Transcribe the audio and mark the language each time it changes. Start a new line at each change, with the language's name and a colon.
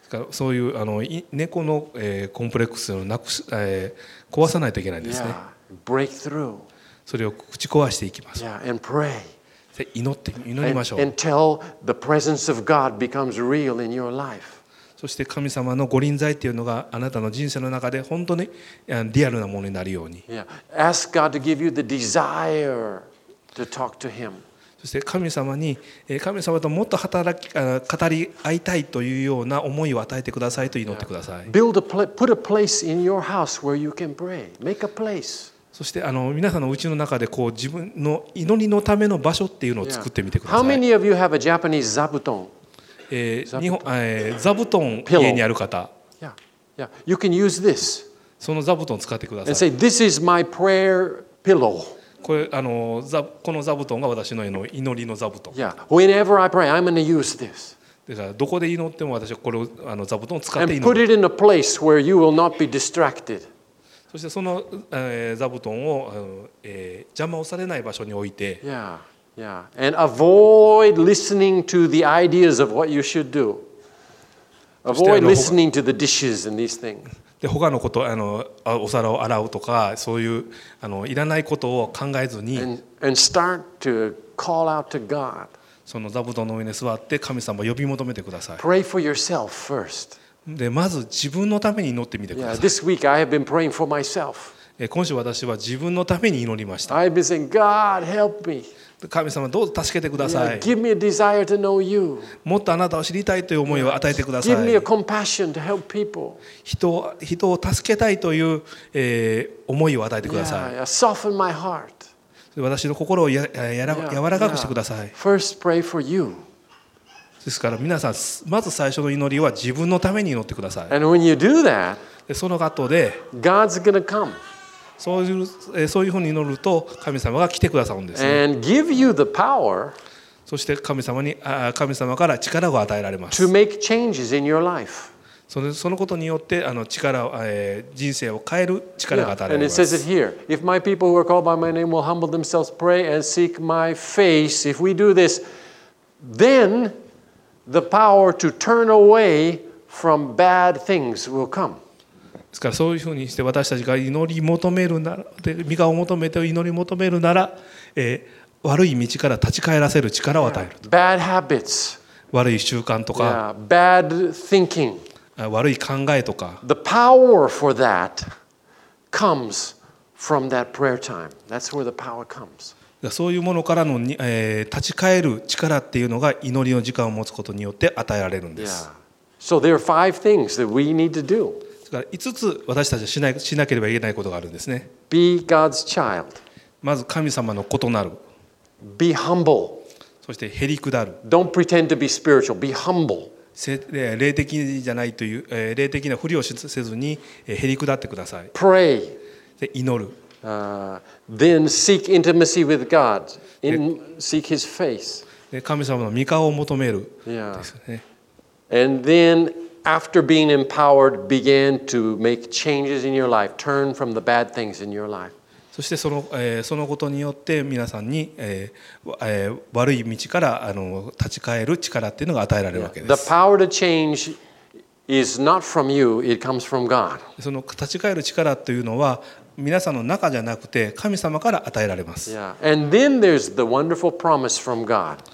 Japanese: そういう猫のコンプレックスをなくす、壊さないといけないんですね。
English: Breakthrough.
Japanese: それを打ち壊していきます。
English: Yeah, and pray.
Japanese: 祈りましょう。
English: Until the presence of God becomes real in your life.
Japanese: そして神様の御臨在というのがあなたの人生の中で本当にリアルなものになるように。
English: Ask God to give you the desire to talk to Him。
Japanese: そして神様に、神様ともっと語り合いたいというような思いを与えてくださいと祈ってください。
English: Build a place, put a place in your house where you can pray. Make a place.
Japanese: そして皆さんの家の中でこう自分の祈りのための場所っていうのを作ってみてください。
English: How many of you have a Japanese 座布団？
Japanese: 座布団家にある方。
English: You can use this.
Japanese: その座布団を使ってください。
English: And say, this is my prayer pillow.
Japanese: この座布団が私の祈りの座布団。 Yeah.
English: Whenever I pray, I'm going to use this.
Japanese: だからどこで祈っても私はこれを座布団を使って祈る。
English: And put it in a place where you will not be distracted.
Japanese: そしてその座布団を邪魔をされない場所に置いて、
English: And avoid listening to the ideas of what you should do. Avoid listening to the dishes and these things.
Japanese: で他のことお皿を洗うとかそういういらないことを考えずに、
English: And start to call out to God.
Japanese: その座布団の上に座って神様を呼び求めてください。
English: Pray for yourself first.
Japanese: でまず自分のために祈ってみてください。
English: Yeah, this week I have been praying for myself.
Japanese: 今週私は自分のために祈りました。
English: I've been saying, God, help me.
Japanese: 神様どうぞ助けてください。
English: Yeah, give me a desire to know you.
Japanese: もっとあなたを知りたいという思いを与えてください。
English: Yeah, give me a compassion to help people.
Japanese: 人を助けたいという、思いを与えてください。
English: Yeah, yeah, soften my heart.
Japanese: 私の心を柔らかくしてください。
English: Yeah, yeah. First, pray for you.
Japanese: ですから皆さんまず最初の祈りは自分のために祈ってください。
English: And when you do that,
Japanese: その後で
English: God's gonna come.
Japanese: そういうふうに祈ると神様が来てくださるんです、ね。
English: And give you the power.
Japanese: そして神様から力を与えられます。
English: To make changes in your life.
Japanese: そのことによって人生を変える力が与えられます。
English: Yeah. And it says it here. If my people who are called by my name will humble themselves, pray and seek my face, if we do this, then The power to turn away from bad things will come.
Japanese: ですからそういうふうにして私たちが祈り求めるなら、で身を求めて祈り求めるなら、悪い道から立ち返らせる力を与える。
English: Bad habits.
Japanese: 悪い習慣とか。
English: Bad thinking.
Japanese: 悪い考えとか。
English: The power for that comes from that prayer time. That's where the power comes.
Japanese: そういうものからの、立ち返る力っていうのが祈りの時間を持つことによって与えられるんです。
English: So there are five things that we need to do.
Japanese: だから5つ私たちはしなければいけないことがあるんですね。
English: Be God's child.
Japanese: まず神様の子となる。
English: Be humble.
Japanese: そしてへりくだる。
English: Don't pretend to be spiritual. Be humble.
Japanese: 霊的じゃないという、霊的なふりをせずにへりくだってください。
English: Pray.
Japanese: で祈る。
English: Then seek intimacy with God. Seek His face.
Japanese: 神様の御顔を求める。
English: And then, after being empowered, begin to make changes in your life. Turn from the bad things in your life.
Japanese: そしてそのことによって皆さんに悪い道から立ち返る力っていうのが与えられるわけです。
English: The power to change. Is not from you, it comes from God.
Japanese: その立ち返る力というのは皆さんの中じゃなくて神様から与えられます。 Yeah.
English: And then there's the wonderful promise from God.